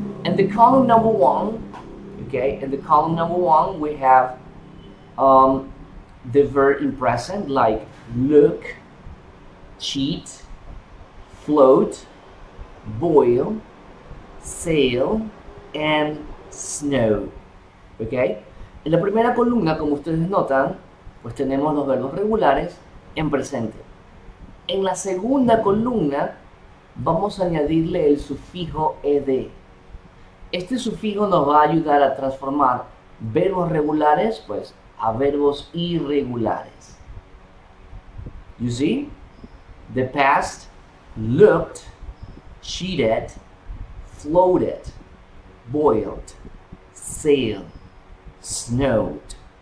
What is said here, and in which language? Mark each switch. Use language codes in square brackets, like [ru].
[en] And the column number one, okay, in the column number one, we have the verb in present, like look, cheat, float, boil, sail, and snow. Okay? [es] En la primera columna, como ustedes notan, pues tenemos los verbos regulares en presente. En la segunda columna vamos a añadirle el sufijo ed. Este sufijo nos va a ayudar a transformar verbos regulares pues a verbos irregulares. [en] You see? The past looked, cheated, floated, boiled, sailed, snowed.